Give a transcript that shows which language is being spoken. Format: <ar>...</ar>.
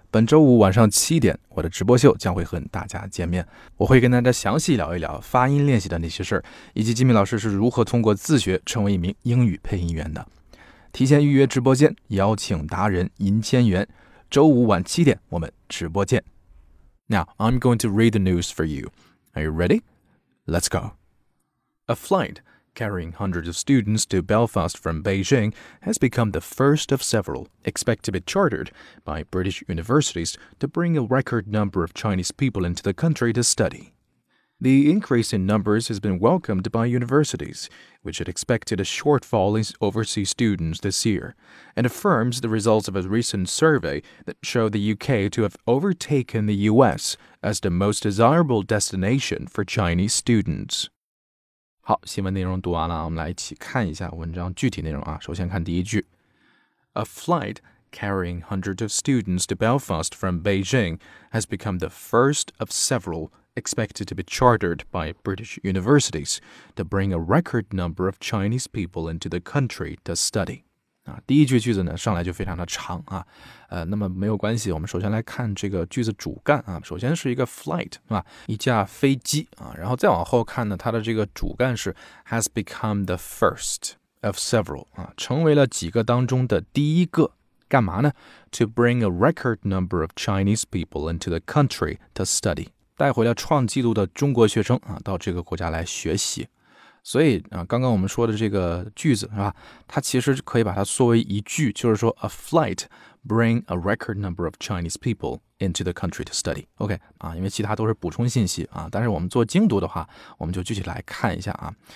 <zh>本周五晚上七点，我的直播秀将会和大家见面，我会跟大家详细聊一聊发音练习的那些事儿，以及吉米老师是如何通过自学成为一名英语配音员的。提前预约直播间，邀请达人银千元。周五晚七点，我们直播间。</zh> <en>Now, I'm going to read the news for you. Are you ready? Let's go. A flight carrying hundreds of students to Belfast from Beijing has become the first of several expected to be chartered by British universities to bring a record number of Chinese people into the country to study. The increase in numbers has been welcomed by universities, which had expected a shortfall in overseas students this year, and affirms the results of a recent survey that showed the UK to have overtaken the US as the most desirable destination for Chinese students.</en> <zh>好，新闻内容读完了，我们来一起看一下文章具体内容啊。首先看第一句。</zh> <en>A flight carrying hundreds of students to Belfast from Beijing has become the first of severalexpected to be chartered by British universities to bring a record number of Chinese people into the country to study.</en> <zh>啊，第一句句子呢，上来就非常的长啊，那么没有关系，我们首先来看这个句子主干啊，首先是一个 flight, 是吧，一架飞机啊，然后再往后看呢，它的这个主干是</zh> <en>has become the first of several,</en> <zh>啊，成为了几个当中的第一个，干嘛呢？</zh> <en>To bring a record number of Chinese people into the country to study.</en> <zh>带回了创纪录的中国学生啊，到这个国家来学习。所以啊，刚刚我们说的这个句子是吧，它其实可以把它作为一句，就是说</zh> <en>a flight bring a record number of Chinese people into the country to study.</en> <zh>OK, 啊，因为其他都是补充信息啊，但是我们做精读的话，我们就具体来看一下啊。</zh>